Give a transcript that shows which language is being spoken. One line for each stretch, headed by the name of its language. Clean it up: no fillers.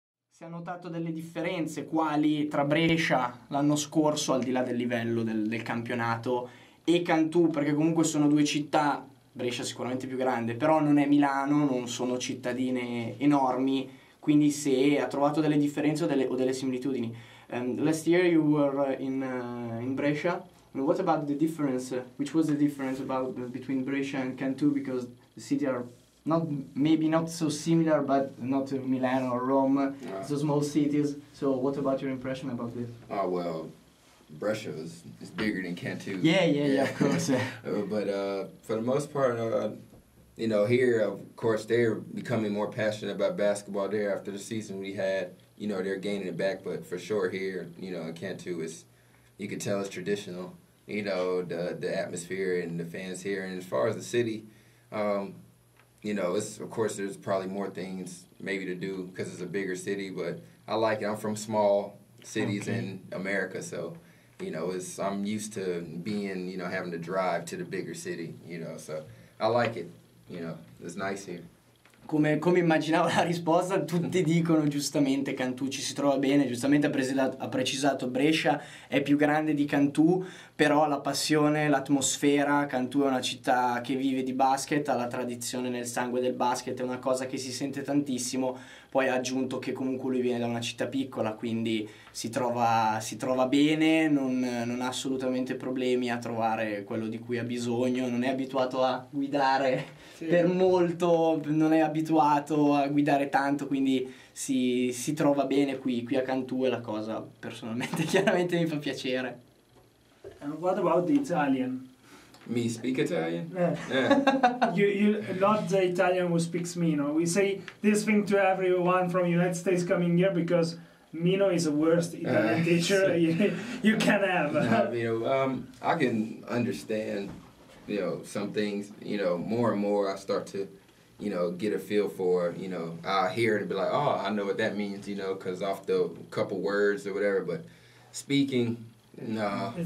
Italian: Si è notato delle differenze quali tra Brescia l'anno scorso, al di là del livello del campionato, e Cantù, perché comunque sono due città, Brescia sicuramente più grande, però non è Milano, non sono cittadine enormi, quindi se ha trovato delle differenze o delle similitudini.
English: Last year you were in Brescia, and what about the difference? Which was the difference about between Brescia and Cantù, because the city are not, maybe not so similar, but not Milan or Rome, so small cities. So what about your impression about this? Well, Brescia is bigger than Cantu. Yeah, of course. But for the most part, here, of course, they're becoming more passionate about basketball there after the season we had. They're gaining it back, but for sure here, in Cantu, it's you can tell it's traditional. The atmosphere and the fans here, and as far as the city, of course, there's probably more things maybe to do because it's a bigger city, but I like it. I'm from small cities Okay. in America, so I'm used to being, having to drive to the bigger city, so I like it. It's nice here.
Italian: Come immaginavo la risposta, tutti dicono giustamente Cantù ci si trova bene, giustamente ha precisato Brescia è più grande di Cantù, però la passione, l'atmosfera, Cantù è una città che vive di basket, ha la tradizione nel sangue del basket, è una cosa che si sente tantissimo, poi ha aggiunto che comunque lui viene da una città piccola, quindi si trova bene, non ha assolutamente problemi a trovare quello di cui ha bisogno, non è abituato a guidare. Per Sì. molto non è abituato a guidare tanto, quindi si trova bene qui a Cantù e la cosa personalmente chiaramente mi fa piacere.
English: What about the Italian? Me speak Italian? You not the Italian who speaks Mino. We say this thing to everyone from United States coming here because Mino is the worst Italian teacher you can have. I can understand, some things, more and more I start to, get a feel for, I hear it and be like, oh, I know what that means, because off the couple words or whatever, but speaking, no,